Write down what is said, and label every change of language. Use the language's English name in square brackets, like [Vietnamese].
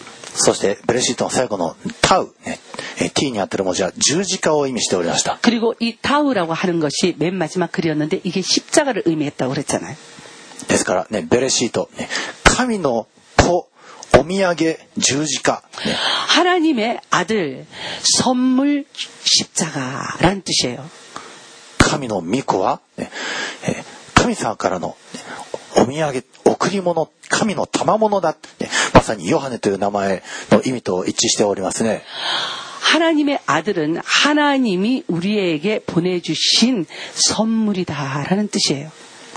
[Japanese] そしてベレシートの最後のタウ、ね、T にあってる文字は十字架を意味しておりました [Korean] 그리고이タウ라고하는것이맨마지막글이었는데이게십자가를의미했다고그랬잖아요 [Japanese] ですから、ね、ベレシート、ね、神の子お土産十字架、ね、 [Korean] 하나님의아들선물십자가란뜻이에요 [Japanese] 神の御子は、ね、神様からのお土産、贈り物、神の賜物だ、ね、まさにヨハネという名前の意味と一致しておりますね。 [Korean] 하나님의아들은하나님이우리에게보내주신선물이다라는뜻이에요。